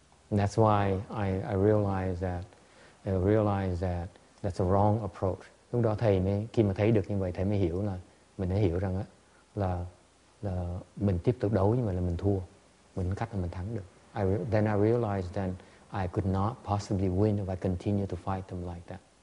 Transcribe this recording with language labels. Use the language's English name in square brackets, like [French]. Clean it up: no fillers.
[English] And that's why I realized that that's a wrong approach. [Vietnamese] Lúc đó thầy mới, khi mà thấy được như vậy, thầy mới hiểu là mình đã hiểu rằng á là mình tiếp tục đấu nhưng mà là mình thua, mình không cách là mình thắng được. [English] I realized then I could not possibly win if I continue to fight them like that.